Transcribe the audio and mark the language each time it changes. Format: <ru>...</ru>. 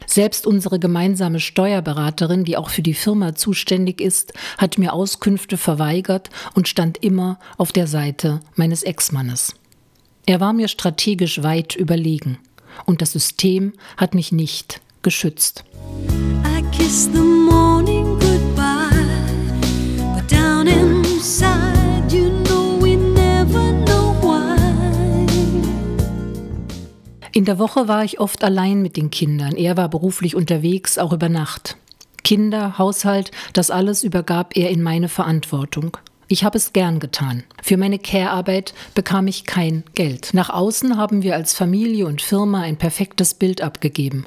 <de>Selbst unsere gemeinsame Steuerberaterin, die auch für die Firma zuständig ist, hat mir Auskünfte verweigert und stand immer auf der Seite meines Ex-Mannes. Er war mir strategisch weit überlegen und das System hat mich nicht geschützt.</de> <en>I kiss the morning goodbye, but down inside you know we never know why.</en> <de>In der Woche war ich oft allein mit den Kindern. Er war beruflich unterwegs, auch über Nacht. Kinder, Haushalt, das alles übergab er in meine Verantwortung. Ich habe es gern getan. Für meine Care-Arbeit bekam ich kein Geld. Nach außen haben wir als Familie und Firma ein perfektes Bild abgegeben.</de>